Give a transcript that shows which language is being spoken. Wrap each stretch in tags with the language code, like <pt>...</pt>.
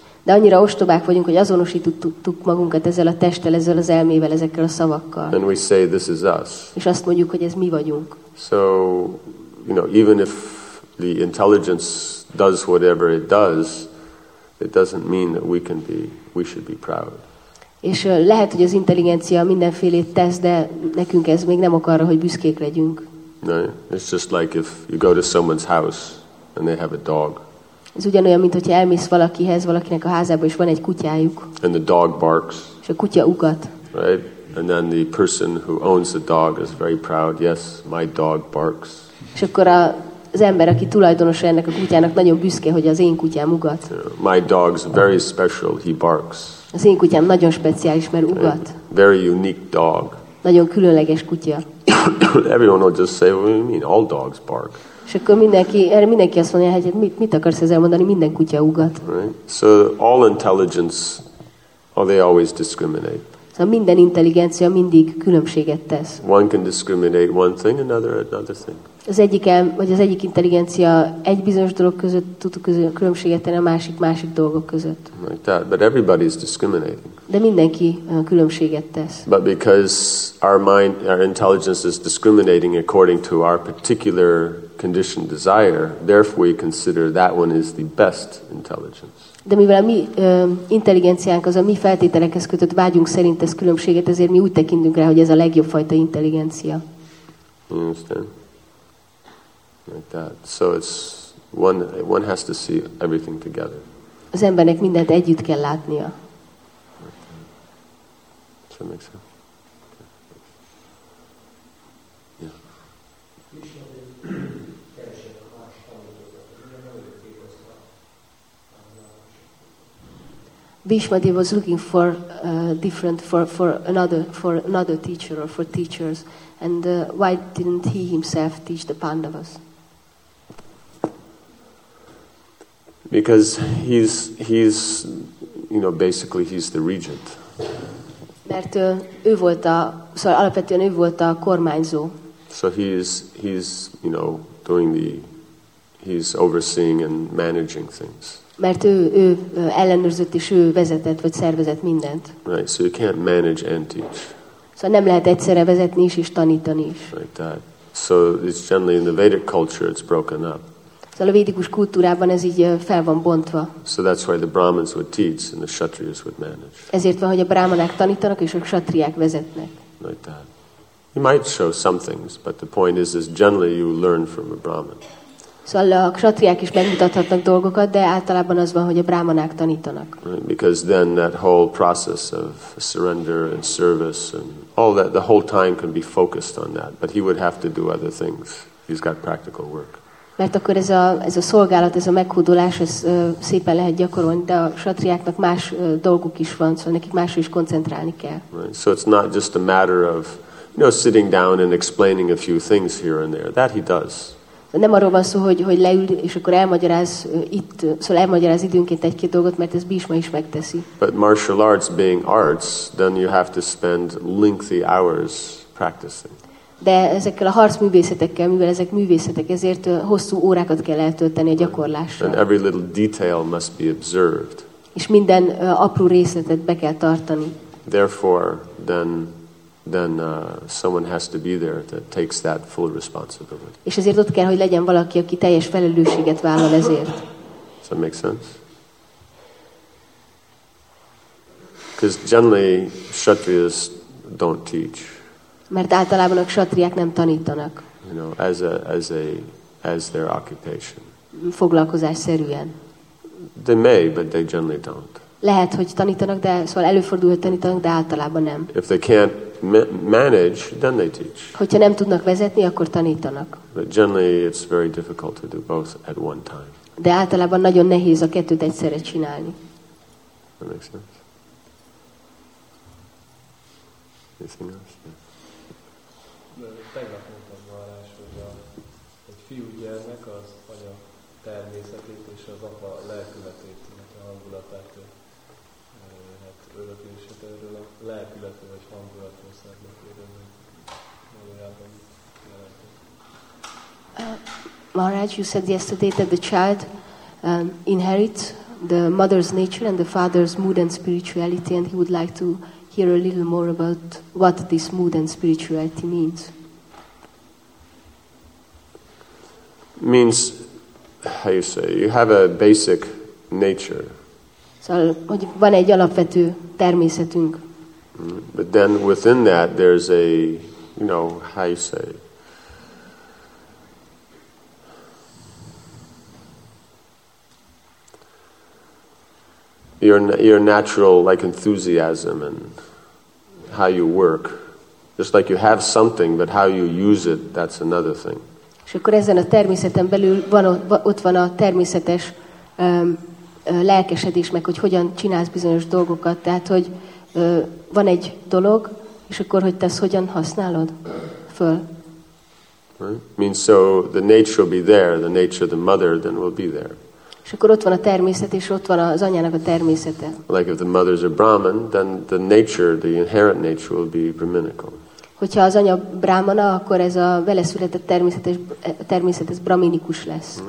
<hu>De annyira ostobák vagyunk, hogy azonosítottuk magunkat ezzel a testtel, ezzel az elmével, ezekkel a szavakkal.</hu> <en>And we say this is us.</en> <hu>És azt mondjuk, hogy ez mi vagyunk.</hu> <en>So, you know, even if the intelligence does whatever it does, it doesn't mean that we should be proud.</en> <hu>És lehet, hogy az intelligencia mindenfélét tesz, de nekünk ez még nem ok arra, hogy büszkék legyünk.</hu> <en>No, it's just like if you go to someone's house and they have a dog.</en> <hu>Ez ugyanolyan, mint hogyha elmész valakihez, valakinek a házába, és van egy kutyájuk.</hu> <en>And the dog barks.</en> <hu>És a kutya ugat.</hu> <en>Right? And then the person who owns the dog is very proud. Yes, my dog barks.</en> <hu>És akkor az ember, aki tulajdonosa ennek a kutyának, nagyon büszke, hogy az én kutyám ugat.</hu> <en>My dog's very special, he barks.</en> <hu>Az én kutyám nagyon speciális, mert ugat.</hu> <en>Very unique dog.</en> <hu>Nagyon különleges kutya.</hu> <en>Everyone will just say, what do you mean? All dogs bark.</en> <hu>És akkor mindenki azt mondja, hogy mit akarsz ezzel mondani? Minden kutya ugat.</hu> <en>Right. So all intelligence, oh, they always discriminate.</en> <hu>Szóval minden intelligencia mindig különbséget tesz.</hu> <en>One can discriminate one thing, another thing.</en> <hu>Az egyik intelligencia egy bizonyos dolog között tud különbséget tenni a másik dolgok között.</hu> <en>Like that. But everybody is discriminating.</en> <hu>De mindenki különbséget tesz.</hu> <en>But because our mind, our intelligence is discriminating according to our particular conditioned desire, therefore we consider that one is the best intelligence.</en> <hu>De mivel a mi intelligenciánk az a mi feltételekhez kötött vágyunk szerint tesz különbséget, ezért mi úgy tekintünk rá, hogy ez a legjobb fajta intelligencia.</hu> <en>Understand? Like that. So it's one has to see everything together.</en> <hu>Az embernek mindent együtt kell látnia.</hu> <en>Does that make sense? Bhishmadeva was looking for different for another teacher or for teachers, and why didn't he himself teach the Pandavas? Because he's you know, basically he's the regent.</en> <hu>Mert ő volt a, szóval alapvetően ő volt a kormányzó.</hu> <en>So he's you know, doing the, he's overseeing and managing things.</en> <hu>Mert ő ellenőrzött és ő vezetett vagy szervezett mindent.</hu> <en>Right, so you can't manage and teach.</en> <hu>Szóval nem lehet egyszerre vezetni is és tanítani is.</hu> <en>Like that. So it's generally in the Vedic culture it's broken up.</en> <hu>Szóval a védikus kultúrában ez így fel van bontva.</hu> <en>So that's why the Brahmins would teach and the Kshatriyas would manage.</en> <hu>Ezért van, hogy a brahmanák tanítanak és a kshatriák vezetnek.</hu> <en>Like that. You might show some things, but the point is generally you learn from a Brahmin.</en> <hu>Szóval a kshatriák is megmutathatnak dolgokat, de általában az van, hogy a brahmanák tanítanak.</hu> <en>Right, because then that whole process of surrender and service and all that, the whole time can be focused on that. But he would have to do other things. He's got practical work.</en> <hu>Mert akkor ez a szolgálat, ez a meghódolás, ez szépen lehet gyakorolni, de a kshatriáknak más dolguk is van, szóval nekik másra is koncentrálni kell.</hu> <en>Right, so it's not just a matter of, you know, sitting down and explaining a few things here and there. That he does.</en> <hu>Nem arról van szó, hogy leül és akkor elmagyaráz időnként egy-két dolgot, mert ez Bhishma is megteszi.</hu> <en>But martial arts being arts, then you have to spend lengthy hours practicing.</en> <hu>De ezekkel a harcművészetekkel, mivel ezek művészetek, ezért hosszú órákat kell eltölteni a gyakorlásra.</hu> <en>And every little detail must be observed.</en> <hu>És minden apró részletet be kell tartani.</hu> <en>Therefore, then someone has to be there that takes that full responsibility.</en> <hu>És ezért ott kell, hogy legyen valaki, aki teljes felelősséget vállal ezért.</hu> <en>Does that make sense? Because generally kshatriyas don't teach.</en> <hu>Mert általában a kshatriák nem tanítanak.</hu> <en>You know, as their occupation.</en> <hu>Foglalkozás szerűen.</hu> <en>They may, but they generally don't.</en> <hu>Lehet, hogy tanítanak, de szóval előfordul, hogy tanítanak, de általában nem.</hu> <en>If they can't manage, then they teach.</en> <hu>Hogyha nem tudnak vezetni, akkor tanítanak.</hu> <en>But generally it's very difficult to do both at one time.</en> <hu>De általában nagyon nehéz a kettőt egyszerre csinálni.</hu> <en>That makes sense. Anything else? Yeah.</en> <hu>Tegnap mondtam Marás, hogy egy fiú gyermek az anya természetét és az apa lelkületét, a hangulatát, hát örökését erről a lelkületről vagy hangulatról szeretnék érni. Valójában jelentek.</hu> <en>Maharaj, you said yesterday that the child inherits the mother's nature and the father's mood and spirituality, and he would like to hear a little more about what this mood and spirituality means. Means, how you say, you have a basic nature.</en> <hu>Szóval, hogy van egy alapvető természetünk.</hu> <en>But then within that there's a, you know, how you say, your natural like enthusiasm and how you work, just like you have something, but how you use it, that's another thing.</en> <hu>És akkor ezen a természeten belül van ott van a természetes lelkesedés, meg hogy hogyan csinálsz bizonyos dolgokat, tehát hogy van egy dolog, és akkor hogy te ezt hogyan használod föl.</hu> <en>Right. Means so the nature will be there, the nature of the mother then will be there.</en> <hu>És akkor ott van a természet, és ott van az anyának a természete.</hu> <en>Like if the mother is a Brahman, then the nature, the inherent nature will be brahminical.</en> <hu>Hogyha az anya brahmana, akkor ez a vele született természet ez brahminikus lesz.</hu>